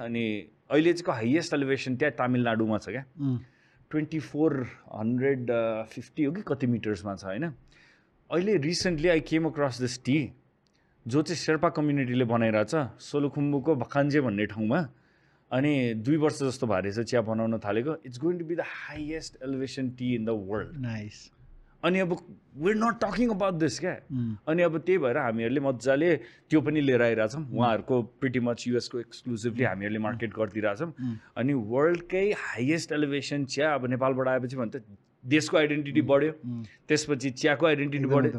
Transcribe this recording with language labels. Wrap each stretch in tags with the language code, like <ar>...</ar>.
<ne>अनि अहिले चाहिँ हाइएस्ट एलिभेसन त्यहाँ तामिलनाडुमा छ क्या, 2450 हो कि कति मिटर्समा छ होइन. अहिले recently</ne> <en>I came across this tea</en> <ne>जो चाहिँ शेर्पा कम्युनिटीले बनाइरहेछ सोलुखुम्बुको भखान्जे भन्ने ठाउँमा, अनि 2 जस्तो भए छ चिया बनाउन थालेको.</ne> <en>It's going to be the highest elevation tea in the world. Nice.</en> <ne>अनि अब</ne> <en>We are not talking about this क्या.</en> <ne>अनि अब त्यही भएर हामीहरूले मजाले त्यो पनि लिएर आइरहेछौँ, उहाँहरूको</ne> <en>pretty much</en> <ne>युएसको एक्सक्लुसिभली हामीहरूले मार्केट गरिदिइरहेछौँ. अनि वर्ल्डकै हाइएस्ट एलिभेसन चिया अब नेपालबाट आएपछि भने त देशको आइडेन्टिटी बढ्यो, त्यसपछि चियाको आइडेन्टिटी बढ्यो.</ne>